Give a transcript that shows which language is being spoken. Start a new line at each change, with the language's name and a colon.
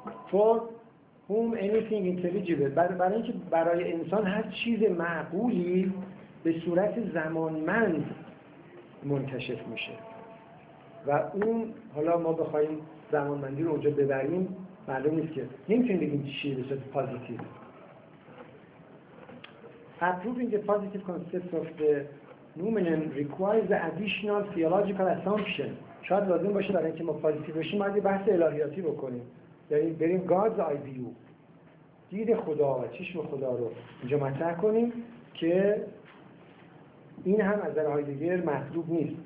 English: For whom anything intelligible،
Persian: برای اینکه برای انسان هر چیز معقولی به صورت زمانمند منکشف میشه و اون، حالا ما بخوایم زمانمندی رو اونجا ببریم معلوم نیست که، نمیتونیم بگیم چیه به صورت پازیتیو.
English: Approving the positive concept of the noumenon requires the additional theological assumption.
Persian: شاید لازم باشه برای اینکه ما پازیتیو بشیم باید بحث الهیاتی بکنیم، یعنی بریم
English: God's eye view،
Persian: دید خدا و چشم خدا رو اینجا مطرح کنیم که این هم از درهای دیگر مطلوب نیست.